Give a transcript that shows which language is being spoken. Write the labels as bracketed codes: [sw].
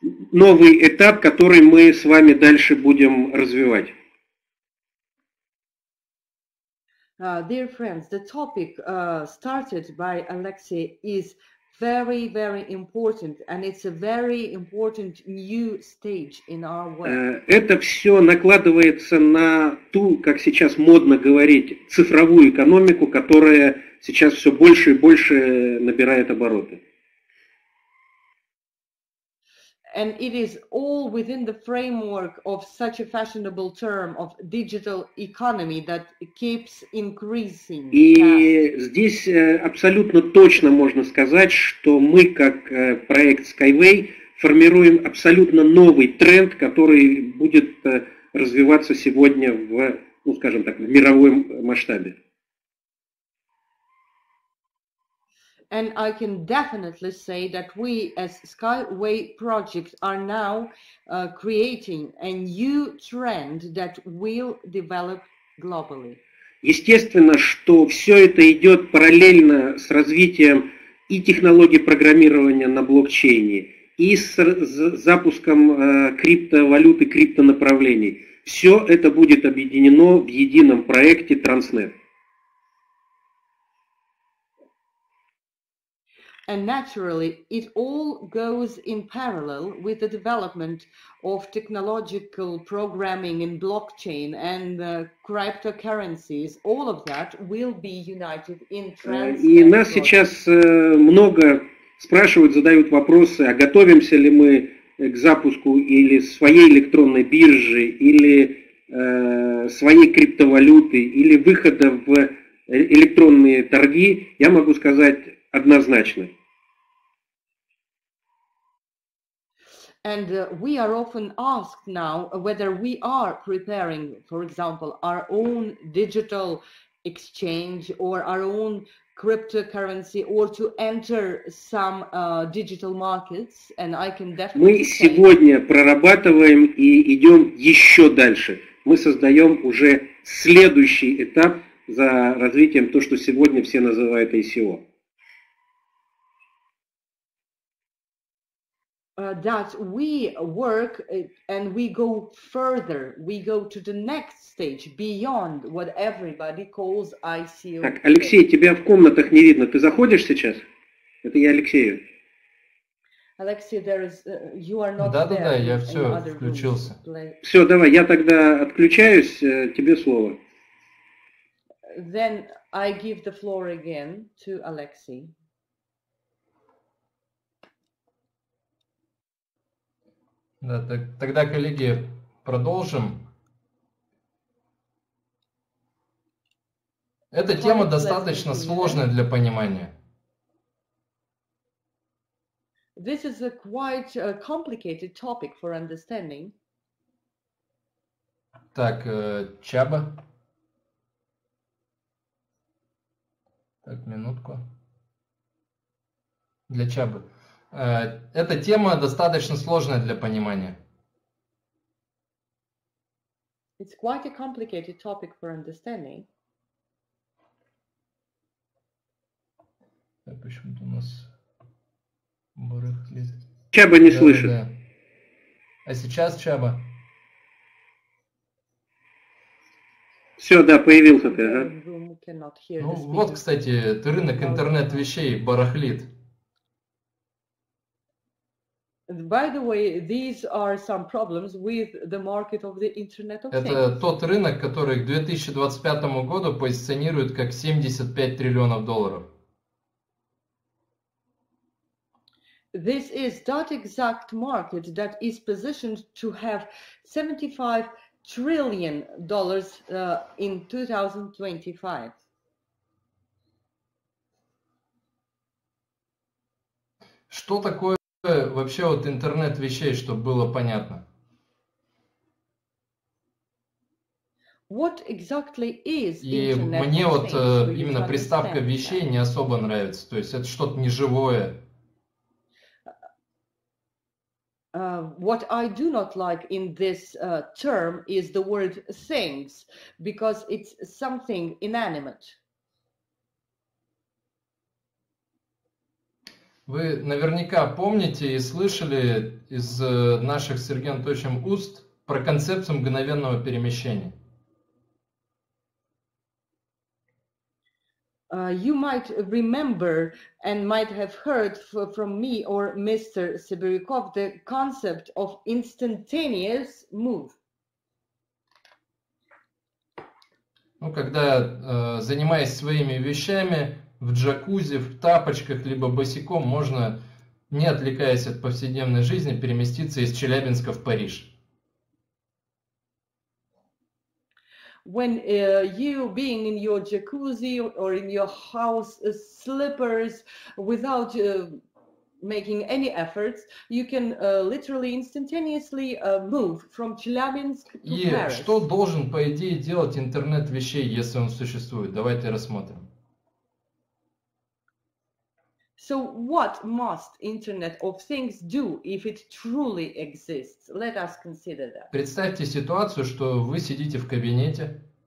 [ru] новый этап, который мы с вами дальше будем развивать. [en] Dear friends, the topic started by Alexey is very, very important, and it's a very important new stage in our work. [ru] Это все накладывается на ту, как сейчас модно говорить, цифровую экономику, которая сейчас все больше и больше набирает обороты. [en] And it is all within the framework of such a fashionable term of digital economy that keeps increasing. [ru] И здесь абсолютно точно можно сказать, что мы как проект Skyway формируем абсолютно новый тренд, который будет развиваться сегодня в, ну, скажем так, в мировом масштабе. [en] And I can definitely say that we as Skyway Project are now creating a new trend that will develop globally. [ru] Естественно, что все это идет параллельно с развитием и технологий программирования на блокчейне, и с запуском криптовалюты, криптонаправлений. Все это будет объединено в едином проекте Transnet. [en] And naturally, it all goes in parallel with the development of technological programming in blockchain and cryptocurrencies. All of that will be united in Transnet. [ru] И нас сейчас много спрашивают, задают вопросы, а готовимся ли мы к запуску или своей электронной биржи, или своей криптовалюты, или выхода в электронные торги, я могу сказать однозначно. [en] And we are often asked now whether we are preparing, for example, our own digital exchange or our own cryptocurrency or to enter some digital markets. And I can definitely [ru] Мы сегодня прорабатываем и идем еще дальше. Мы создаем уже следующий этап за развитием то, что сегодня все называют ICO. [en] That we work and we go further, we go to the next stage, beyond what everybody calls ICO. [ru] Так, Алексей, тебя в комнатах не видно. Ты заходишь сейчас? Это я Алексею. [en] Алексей, there is, you are not [ru] да, [en] there. [ru] Да-да-да, я все, включился. Все, давай, я тогда отключаюсь, тебе слово. [en] Then I give the floor again to Alexei. [ru] Да, так, тогда, коллеги, продолжим. Эта тема достаточно сложная для понимания. [en] This is a quite complicated topic for understanding. [ru] Так, Чаба. Так, минутку. Для Чабы. Эта тема достаточно сложная для понимания. [en] It's quite a complicated topic for understanding. [ru] Так, почему-то у нас барахлит. Чаба не слышит. Да. А сейчас Чаба? Все, да, появился ты. Ага. Ну вот, кстати, это рынок интернет вещей барахлит. [en] By the way, these are some problems with the market of the Internet of Things. [ru] Это тот рынок, который к 2025 году позиционируют как 75 триллионов долларов. [en] This is that exact market that is positioned to have 75 trillion dollars in 2025. [ru] Что такое вообще вот интернет вещей, чтобы было понятно. [en] What exactly is [ru] и мне вот именно приставка вещей не особо нравится. То есть это что-то неживое. [en] What I do not like in this term is the word things, because it's something inanimate. [ru] Вы наверняка помните и слышали из наших с Сергеем Анатольевичем уст про концепцию мгновенного перемещения. [en] You might remember and might have heard from me or Mr. Sibirikov the concept of instantaneous move. [ru] Ну, когда занимаясь своими вещами, в джакузи, в тапочках, либо босиком можно, не отвлекаясь от повседневной жизни, переместиться из Челябинска в Париж. [en] When you being in your jacuzzi or in your house slippers without making any efforts, you can literally instantaneously move from Челябинск to [ru] Paris. И что должен, по идее, делать интернет вещей, если он существует? Давайте рассмотрим. [en] So what must Internet of Things do if it truly exists? Let us consider that. [ru] Представьте ситуацию, что вы сидите в кабинете.